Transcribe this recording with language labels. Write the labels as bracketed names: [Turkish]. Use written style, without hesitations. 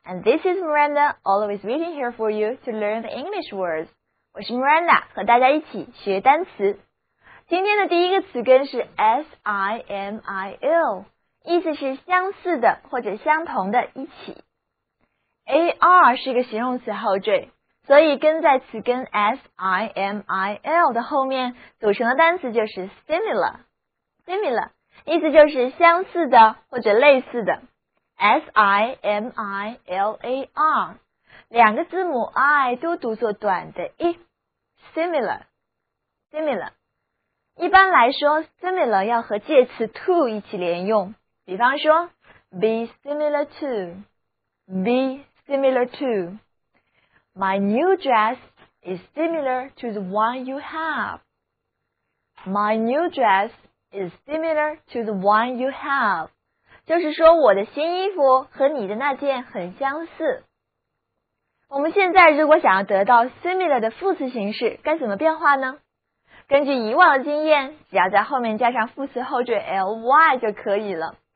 [English] And this is Miranda, always waiting here for you to learn the English words. [Chinese] 我是 Miranda, 和大家一起学单词。今天的第一个词根是 S-I-M-I-L, 意思是相似的或者相同的一起。 AR 是个形容词后缀，所以跟在词根 S-I-M-I-L 的后面组成的单词就是 similar, 意思就是相似的或者类似的。 S-I-M-I-L-A-R 两个字母 I 都读作短的 I similar 一般来说 similar 要和介词 to 一起连用，比方说 be similar to [English] my new dress is similar to the one you have [Chinese] 就是说我的新衣服和你的那件很相似。我们现在如果想要得到 similar 的副词形式该怎么变化呢？根据以往的经验，只要在后面加上副词后缀 ly 就可以了。